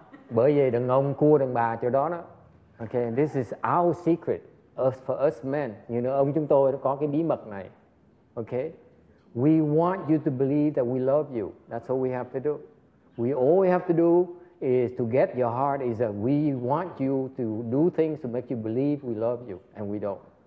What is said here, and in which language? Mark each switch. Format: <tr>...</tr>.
<vi>Bởi vì đàn ông cua đàn bà chỗ đó đó.</vi> <en>Okay, this is our secret for us men. You know,</en> <vi>ông chúng tôi có cái bí mật này.</vi> <en>Okay, we want you to believe that we love you. That's all we have to do. We all we have to do is to get your heart. Is that we want you to do things to make you believe we love you, and we don't.</en>